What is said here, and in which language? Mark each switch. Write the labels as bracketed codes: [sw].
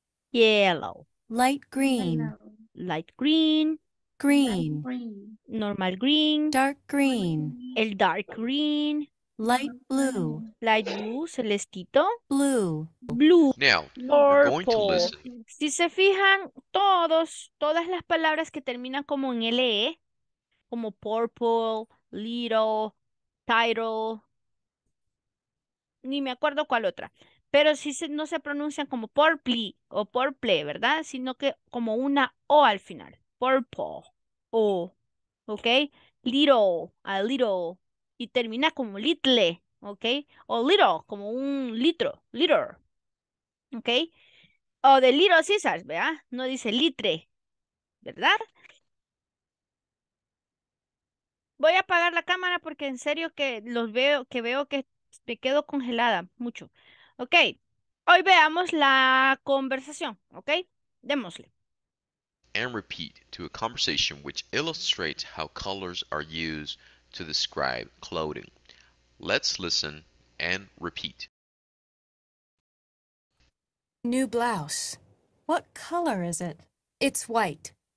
[en] Yellow. Light green. Yellow. Light green. Green. Green. Normal green. Dark green. El dark green. Light blue. Light blue. Celestito. Blue. Blue. Now, we're going to listen. [es] Si se fijan, todas las palabras que terminan como en L-E, como purple, little, title, ni me acuerdo cuál otra. Pero si no se pronuncian como purple o purple, ¿verdad? Sino que como una O al final. Purple, O, ¿ok? Little, a little, y termina como little, ¿ok? O little, como un litro, little, ¿ok? O de little Caesars, ¿verdad? No dice litre, ¿verdad? Voy a apagar la cámara porque en serio que los veo, que veo que me quedo congelada mucho. Ok, hoy veamos la conversación, ¿ok? Démosle. [en] And repeat to a conversation which illustrates how colors are used to describe clothing. Let's listen and repeat. New blouse. What color is it? It's white.